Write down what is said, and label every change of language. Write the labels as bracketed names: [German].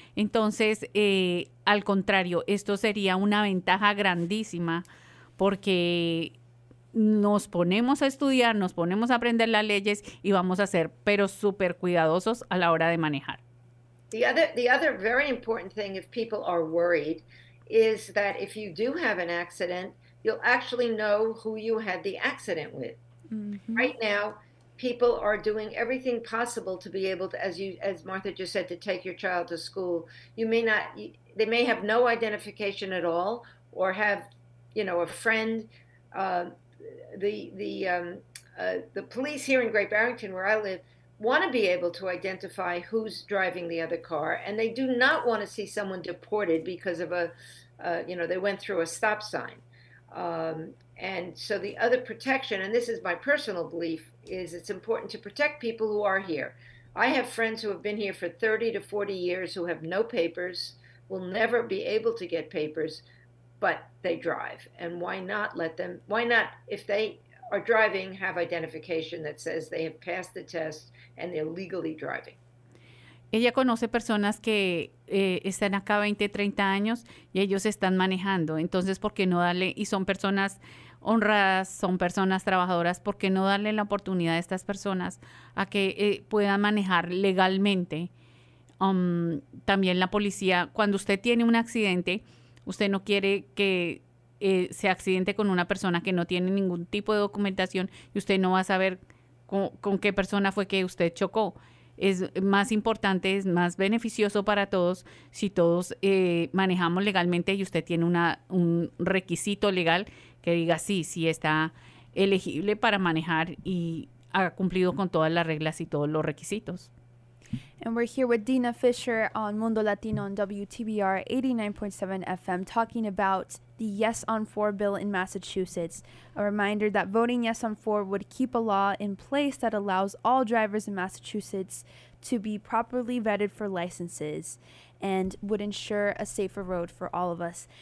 [Spanish] Entonces, al contrario, esto sería una ventaja grandísima porque nos ponemos a estudiar, nos ponemos a aprender las leyes y vamos a ser pero súper cuidadosos a la hora de manejar. [English] The other very important thing if people are worried is that if you do have an accident, you'll actually know who you had the accident with. Mm-hmm. Right now, people are doing everything possible to be able to, as Martha just said, to take your child to school. They may have no identification at all, or have, you know, a friend. The police here in Great Barrington, where I live, want to be able to identify who's driving the other car, and they do not want to see someone deported because of they went through a stop sign. And so the other protection, and this is my personal belief, is it's important to protect people who are here. I have friends who have been here for 30 to 40 years who have no papers, will never be able to get papers, but they drive. And why not let them, why not, if they are driving, have identification that says they have passed the test and they're legally driving. [Spanish] Ella conoce personas que están acá 20, 30 años y ellos están manejando. Entonces, ¿por qué no darle? Y son personas honradas, son personas trabajadoras. ¿Por qué no darle la oportunidad a estas personas a que puedan manejar legalmente? También la policía, cuando usted tiene un accidente, usted no quiere que se accidente con una persona que no tiene ningún tipo de documentación y usted no va a saber con qué persona fue que usted chocó. Es más importante, es más beneficioso para todos si todos manejamos legalmente y usted tiene un requisito legal que diga sí está elegible para manejar y ha cumplido con todas las reglas y todos los requisitos. [English] And we're here with Dina Fisher on Mundo Latino on WTBR 89.7 FM talking about the Yes on 4 bill in Massachusetts. A reminder that voting Yes on 4 would keep a law in place that allows all drivers in Massachusetts to be properly vetted for licenses and would ensure a safer road for all of us.